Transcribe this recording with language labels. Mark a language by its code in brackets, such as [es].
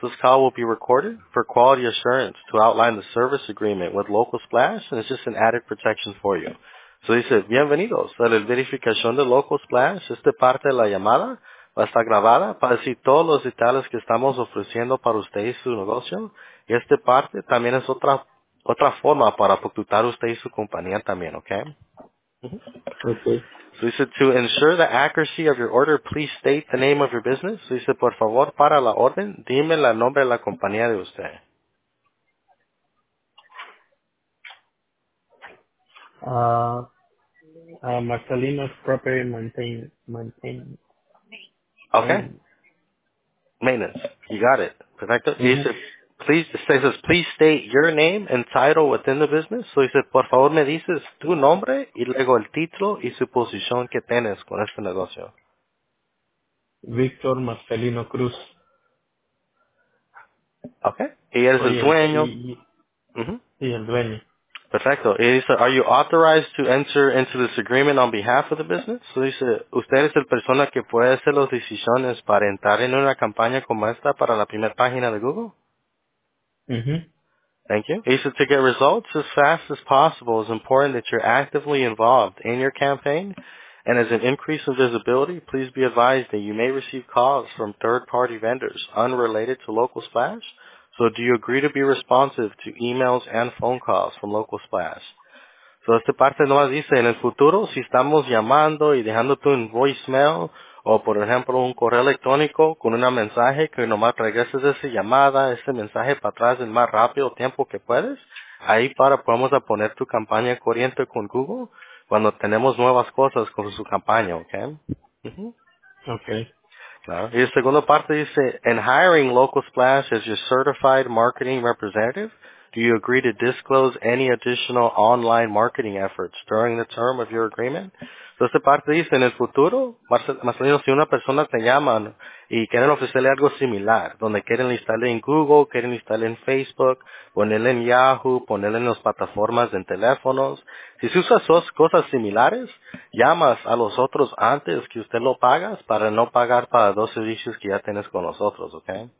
[en] This call will be recorded for quality assurance to outline the service agreement with Local Splash, and it's just an added protection for you. [es] So dice, bienvenidos a la verificación de Local Splash. Esta parte de la llamada va a estar grabada para decir todos los detalles que estamos ofreciendo para usted y su negocio. Y esta parte también es otra forma para facturar usted y su compañía también, ¿ok? [en] Okay. So, to ensure the accuracy of your order, please state the name of your business. [es] So, dice, por favor, para la orden, dime el nombre de la compañía de usted. [en] Marcelino's Property Maintain. Okay. Maintenance. You got it. Perfecto. Please state your name and title within the business. So he said, [es] por favor, me dices tu nombre y luego el título y su posición que tienes con este negocio. Víctor Marcelino Cruz. Okay. Y eres el dueño. Y el dueño. Perfecto. Y dice, [en] are you authorized to enter into this agreement on behalf of the business? [es] So dice, usted es la persona que puede hacer las decisiones para entrar en una campaña como esta para la primera página de Google? [en] Thank you. He said, to get results as fast as possible, it's important that you're actively involved in your campaign. And as an increase in visibility, please be advised that you may receive calls from third-party vendors unrelated to Local Splash. So do you agree to be responsive to emails and phone calls from Local Splash? [es] So esta parte nomás dice, en el futuro, si estamos llamando y dejándote un voicemail o, por ejemplo, un correo electrónico con un mensaje que nomás regreses esa llamada, ese mensaje para atrás en más rápido tiempo que puedes, ahí para podemos poner tu campaña corriente con Google cuando tenemos nuevas cosas con su campaña, ¿ok? [en] Okay. [es] Y la segunda parte dice, [en] in hiring Local Splash as your certified marketing representative, Do you agree to disclose any additional online marketing efforts during the term of your agreement? [es] Entonces, parte dice, en el futuro, más o menos, si una persona te llama y quieren ofrecerle algo similar, donde quieren instalar en Google, quieren instalar en Facebook, ponerle en Yahoo, ponerle en las plataformas en teléfonos, si se usa dos cosas similares, llamas a los otros antes que usted lo pagas para no pagar para dos servicios que ya tienes con nosotros, ¿ok?